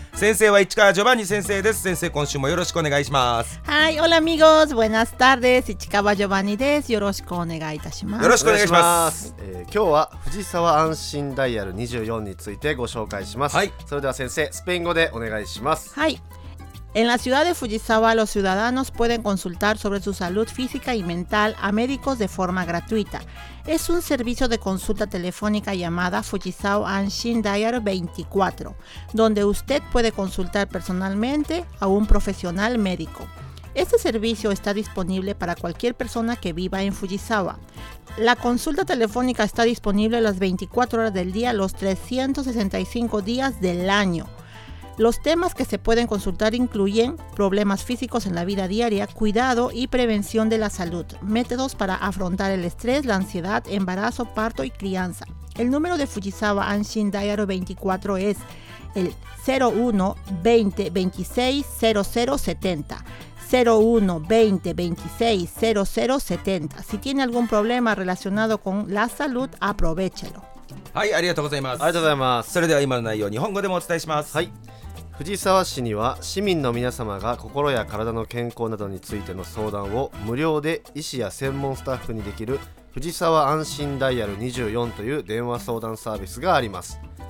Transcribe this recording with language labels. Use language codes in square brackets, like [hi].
[ja] 先生は市川ジョバンニ先生です。先生、今週もよろしくお願いします。はい、 [es] オラアミゴス、ブエナスタルデス、 [ja] 市川ジョバンニです。よろしくお願いいたします。よろしくお願いします。今日は藤沢安心ダイヤル24についてご紹介します。はい、それでは先生、スペイン語でお願いします。はい。 [es] En la ciudad de Fujisawa, los ciudadanos pueden consultar sobre su salud física y mental a médicos de forma gratuita. Es un servicio de consulta telefónica llamada Fujisawa Anshin Dial 24, donde usted puede consultar personalmente a un profesional médico. Este servicio está disponible para cualquier persona que viva en Fujisawa. La consulta telefónica está disponible las 24 horas del día, los 365 días del año. Los temas que se pueden consultar incluyen problemas físicos en la vida diaria, cuidado y prevención de la salud, métodos para afrontar el estrés, la ansiedad, embarazo, parto y crianza. El número de Fujisawa Anshin Dial 24 es el 01-20-26-0070. 01-20-26-0070. Si tiene algún problema relacionado con la salud, aprovéchelo. [ja] はい、ありがとうございます。ありがとうございます。それでは今の内容、日本語でもお伝えします。はい。藤沢市には市民の皆様が心や体の健康などについての相談を無料で医師や専門スタッフにできる藤沢安心ダイヤル24という電話相談サービスがあります。